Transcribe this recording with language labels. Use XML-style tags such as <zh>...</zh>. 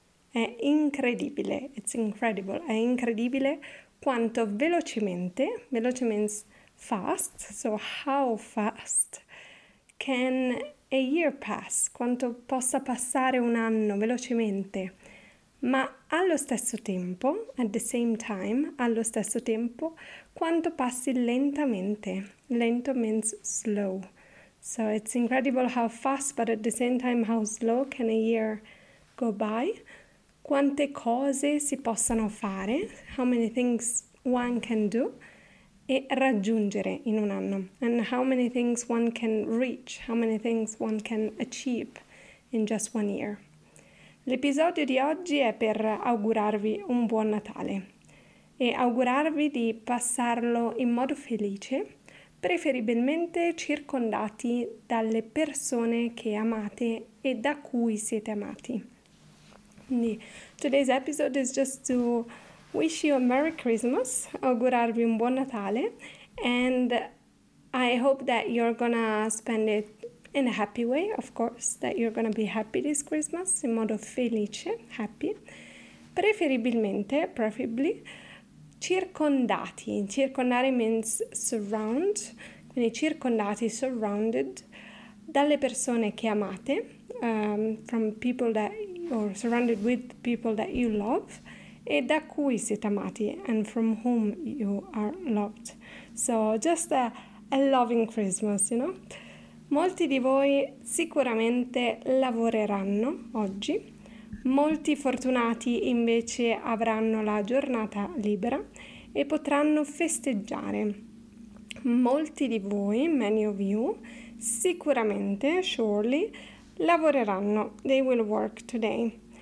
<it>È incredibile,</it> <en>it's incredible,</en> <it>è incredibile quanto velocemente, veloce</it> <en>means fast, so how fast can a year pass,</en> <it>quanto possa passare un anno velocemente. Ma allo stesso tempo,</it> <en>at the same time,</en> <it>allo stesso tempo, quanto passi lentamente.</it> <en>Lento means slow. So it's incredible how fast, but at the same time how slow can a year go by.</en> <it>Quante cose si possano fare,</it> <en>how many things one can do,</en> <it>e raggiungere in un anno.</it> <en>And how many things one can reach, how many things one can achieve in just one year.</en> <it>L'episodio di oggi è per augurarvi un buon Natale e augurarvi di passarlo in modo felice, preferibilmente circondati dalle persone che amate e da cui siete amati.</it> <en>Quindi, today's episode is just to wish you a Merry Christmas,</en> <it>augurarvi un buon Natale,</it> <en>and I hope that you're gonna spend it in a happy way, of course, that you're gonna be happy this Christmas,</en> <it>in modo felice,</it> <en>happy,</en> <it>preferibilmente,</it> <en>preferibly, circondati.</en> <it>Circondare</it> <en>means surround,</en> <it>quindi circondati,</it> <en>surrounded,</en> <it>dalle persone che amate,</it> <en>from people that, or surrounded with people that you love,</en> <it>e da cui siete amati,</it> <en>and from whom you are loved. So, just a loving Christmas, you know?</en> <it>Molti di voi sicuramente lavoreranno oggi, molti fortunati invece avranno la giornata libera e potranno festeggiare. Molti di voi,</it> <en>many of you,</en> <it>sicuramente,</it> <en>surely,</en> <it>lavoreranno,</it> <en>they will work today.</en>